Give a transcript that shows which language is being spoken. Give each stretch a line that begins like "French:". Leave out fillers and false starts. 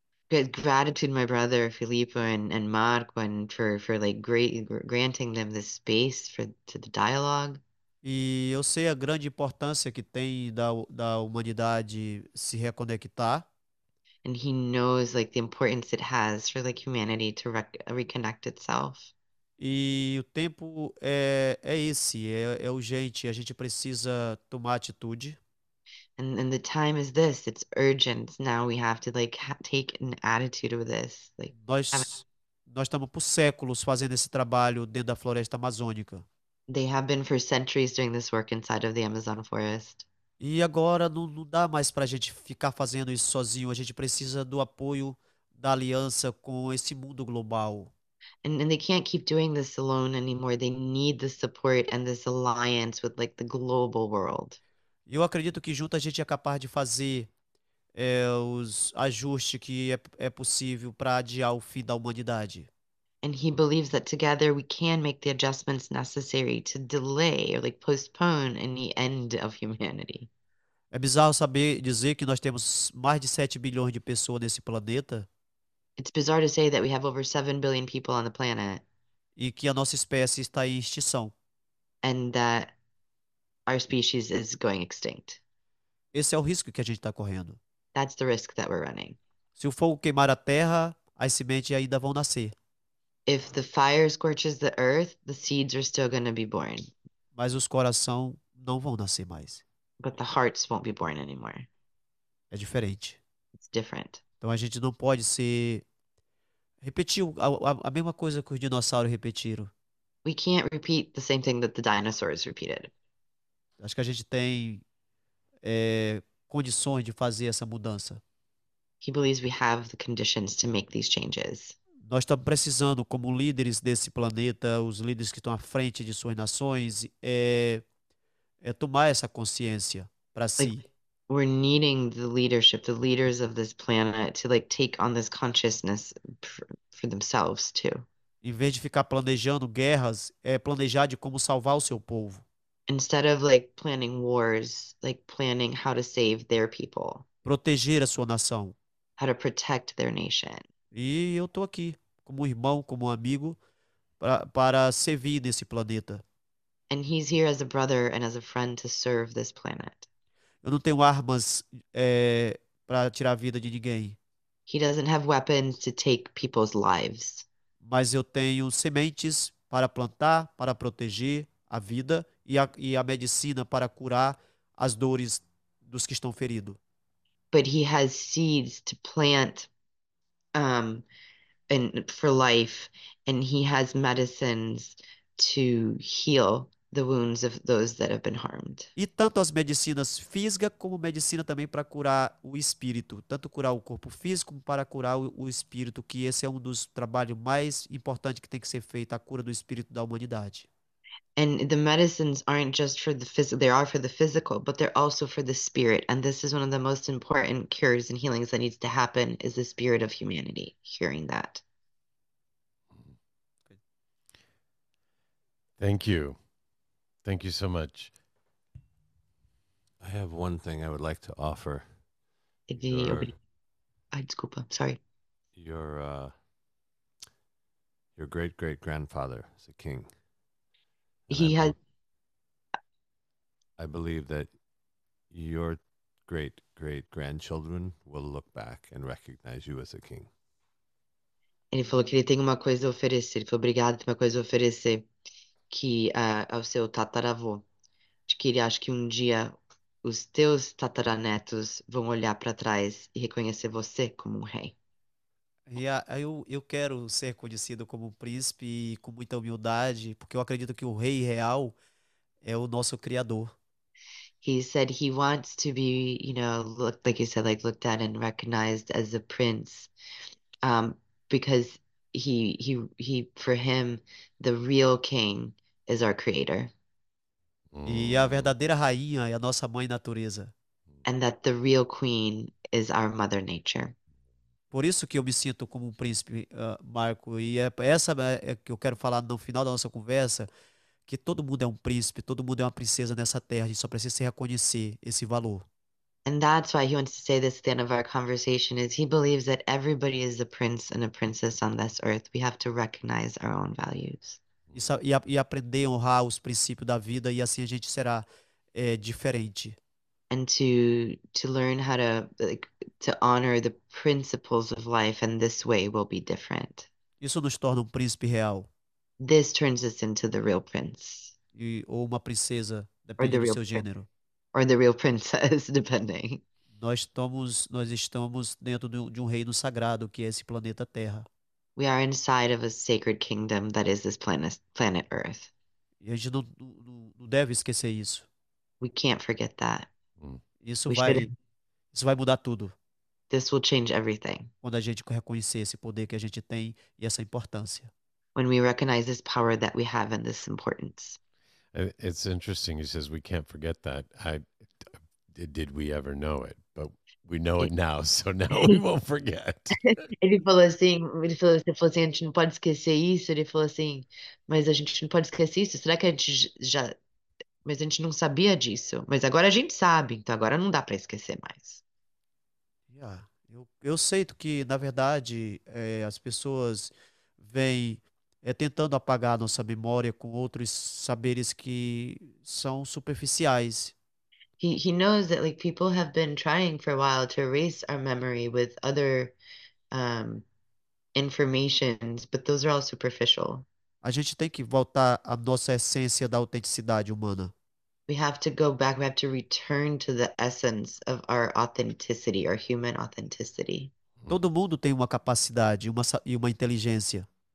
English: Gratitude, my brother Filippo and Marco, and for like granting them this space to the dialogue.
Portuguese: E eu sei a grande importância que tem da humanidade se reconectar.
English: And he knows like the importance it has for like humanity to reconnect itself.
Portuguese: E o tempo é esse, é urgente, a gente precisa tomar atitude.
English: And the time is this, it's urgent. Now we have to like ha take an attitude with this. Like have
Portuguese: Nós estamos por séculos fazendo esse trabalho dentro da floresta amazônica.
English: They have been for centuries doing this work inside of the Amazon forest.
Portuguese: E agora não dá mais para a gente ficar fazendo isso sozinho, a gente precisa do apoio da aliança com esse mundo global.
English: And they can't keep doing this alone anymore. They need the support and this alliance with like the global world.
Portuguese: Eu acredito que junto a gente é capaz de fazer os ajustes que é possível para adiar o fim da humanidade.
English: And he believes that together we can make the adjustments necessary to delay or like postpone any end of humanity.
Portuguese: É bizarro saber dizer que nós temos mais de 7 bilhões de pessoas nesse planeta
English: It's bizarre to say that we have over 7 billion people on the planet.
Portuguese: e que a nossa espécie está em extinção.
English: And that our species is going extinct.
Portuguese: Esse é o risco que a gente está correndo.
English: That's the risk that we're running.
Portuguese: Se o fogo queimar a terra, as sementes ainda vão nascer.
English: If the fire scorches the earth, the seeds are still going to be born.
Portuguese: Mas os corações não vão nascer mais.
English: But the hearts won't be born anymore.
Portuguese: É diferente.
English: It's different.
Portuguese: Então a gente não pode ser. Repetiu a mesma coisa que os dinossauros repetiram.
English: We can't repeat the same thing that the dinosaurs repeated.
Portuguese: Acho que a gente tem. Condições de fazer essa mudança.
English: He believes we have the conditions to make these changes.
Portuguese: Nós estamos precisando, como líderes desse planeta, os líderes que estão à frente de suas nações, tomar essa consciência para
English: Like,
Portuguese: si.
English: we're needing the leadership, the leaders of this planet, to like take on this consciousness for themselves too.
Portuguese: Em vez de ficar planejando guerras, é planejar de como salvar o seu povo.
English: Instead of like planning wars, like planning how to save their people,
Portuguese: Proteger a sua nação.
English: how to protect their nation.
Portuguese: E eu estou aqui, como irmão, como amigo, para servir nesse planeta.
English: And he's here as a brother and as a friend to serve this planet.
Portuguese: Eu não tenho armas, para tirar a vida de ninguém.
English: He doesn't have weapons to take people's lives.
Portuguese: Mas eu tenho sementes para plantar, para proteger a vida e a medicina para curar as dores dos que estão feridos.
English: But he has seeds to plant, and for life, and he has medicines to heal the wounds of those that have been harmed.
Portuguese: E tanto as medicinas físicas como medicina também para curar o espírito, tanto curar o corpo físico como para curar o espírito, que esse é um dos trabalhos mais importantes que tem que ser feito, a cura do espírito da humanidade.
English: And the medicines aren't just for the physical, they are for the physical, but they're also for the spirit. And this is one of the most important cures and healings that needs to happen, is the spirit of humanity hearing that. Thank you. Thank you so much. I have one thing I would like to offer
Portuguese: Ai, desculpa,
English: sorry. your great great grandfather is a king. And He had. I believe that your great great grandchildren will look back and recognize you as a king.
Portuguese: Ele falou que ele tem uma coisa a oferecer. Ele falou, obrigado, tem uma coisa a oferecer. Que é o seu tataravô. De que ele acha que um dia os teus tataranetos vão olhar para trás e reconhecer você como um rei. Eu quero ser conhecido como um príncipe e com muita humildade, porque eu acredito que o rei real é o nosso Criador.
English: He said he wants to be, looked, like you said, like looked at and recognized as a prince, because he for him the real king is our creator.
Portuguese: E a verdadeira rainha é a nossa mãe natureza.
English: And that the real queen is our mother nature.
Portuguese: Por isso que eu me sinto como um príncipe, Marco, e é essa que eu quero falar no final da nossa conversa, que todo mundo é um príncipe, todo mundo é uma princesa nessa terra, a gente só precisa reconhecer esse valor.
English: And that's why he wants to say this at the end of our conversation, is he believes that everybody is a prince and a princess on this earth. We have to recognize our own values.
Portuguese: E aprender a honrar os princípios da vida, e assim a gente será, diferente.
English: And to learn how to honor the principles of life, and this way will be different.
Portuguese: Isso nos torna um príncipe real.
English: This turns us into the real prince.
Portuguese: Ou uma princesa,
English: Or
Portuguese: dependendo
English: the
Portuguese: do
English: real
Portuguese: seu
English: prince.
Portuguese: gênero.
English: Or the real princess, depending.
Portuguese: Nós estamos dentro de um reino sagrado, que é esse planeta Terra.
English: We are inside of a sacred kingdom that is this planet Earth.
Portuguese: E a gente não deve esquecer isso.
English: We can't forget that.
Portuguese: Isso
English: We shouldn't.
Portuguese: vai mudar tudo.
English: This will change everything.
Portuguese: Quando a gente reconhecer esse poder que a gente tem e essa importância.
English: When we recognize this power that we have and this importance. It's interesting. He says we can't forget that. Did we ever know it? But we know it now, so now we
Portuguese: Ele
English: won't forget.
Portuguese: falou assim, a gente não pode esquecer isso. Ele falou assim, mas a gente não pode esquecer isso. Será que a gente já. Mas a gente não sabia disso. Mas agora a gente sabe, então agora não dá para esquecer mais. Eu sei que, na verdade, as pessoas vêm tentando apagar nossa memória com outros saberes que são superficiais.
English: He knows that like people have been trying for a while to erase our memory with other informations, but those are all superficial.
Portuguese: A gente tem que voltar à nossa essência da autenticidade humana.
English: We have to go back, we have to return to the essence of our authenticity, our human authenticity.
Portuguese: Todo mundo tem uma capacidade, e uma inteligência.